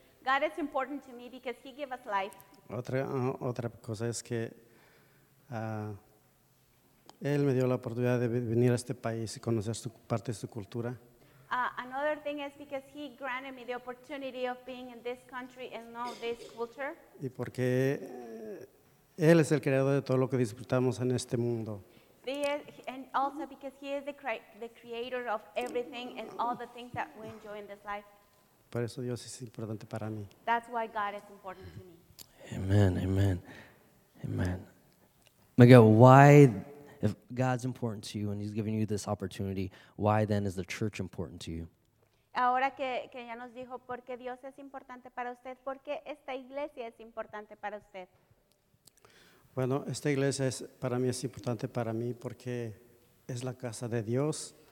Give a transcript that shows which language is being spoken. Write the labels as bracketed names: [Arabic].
[English] God is important to me because He gave us life. [Spanish] Otra cosa es que Él me dio la oportunidad de venir a este país y conocer su parte de su cultura. [English] Another thing is because He granted me the opportunity of being in this country and know this culture. [Spanish] Y porque Él es el creador de todo lo que disfrutamos en este mundo. [English] And also because He is the creator of everything and all the things that we enjoy in this life. [Spanish] Por eso Dios es importante para mí. [English] That's why God is important to me. Amen, amen, amen. Miguel, why, if God's important to you and He's giving you this opportunity, why then is the church important to you? [Spanish] Ahora que ya nos dijo por qué Dios es importante para usted, ¿por qué esta iglesia es importante para usted? Bueno, esta iglesia es para mí es importante para mí porque es la casa de Dios.